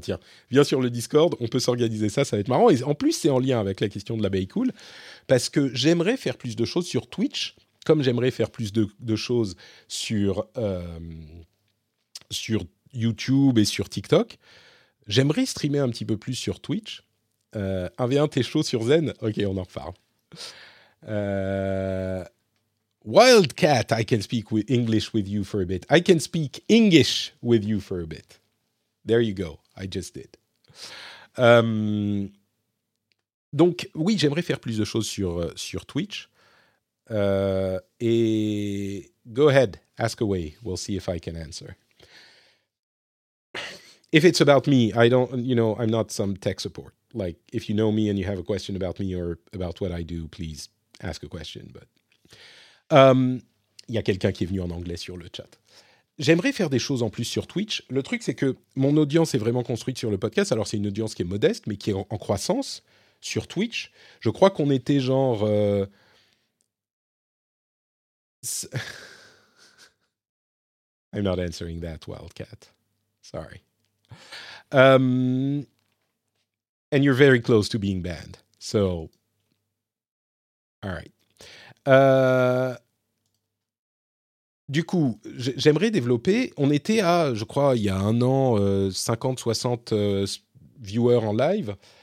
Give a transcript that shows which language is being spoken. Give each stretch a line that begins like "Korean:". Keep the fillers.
French: Tiens, viens sur le Discord, on peut s'organiser ça, ça va être marrant. Et en plus, c'est en lien avec la question de l'abeille cool parce que j'aimerais faire plus de choses sur Twitch, comme j'aimerais faire plus de, de choses sur euh, sur YouTube et sur TikTok. J'aimerais streamer un petit peu plus sur Twitch. Euh, 1v1 t'es chaud sur Zen, ok, on en reparle.
English: Uh, Wildcat, I can speak with English with you for a bit. I can speak English with you for a bit. There you go. I just did.
French: Um, donc, oui, j'aimerais faire plus de choses sur, sur Twitch.
English: Uh,
French: et
English: go ahead, ask away. We'll see if I can answer. If it's about me, I don't, you know, I'm not some tech support. like if you know me and you have a question about me or about what I do, please ask a question. But
French: il um, y a quelqu'un qui est venu en anglais sur le chat. J'aimerais faire des choses en plus sur Twitch. Le truc, c'est que mon audience est vraiment construite sur le podcast. Alors, c'est une audience qui est modeste, mais qui est en, en croissance sur Twitch. Je crois qu'on était genre. Euh...
English: I'm not answering that, Wildcat. Sorry. Um, and you're very close to being banned. So, all right.
French: Euh, du coup, j'aimerais développer. On était à, je crois, il y a un an, euh, 50, 60 euh, viewers en live.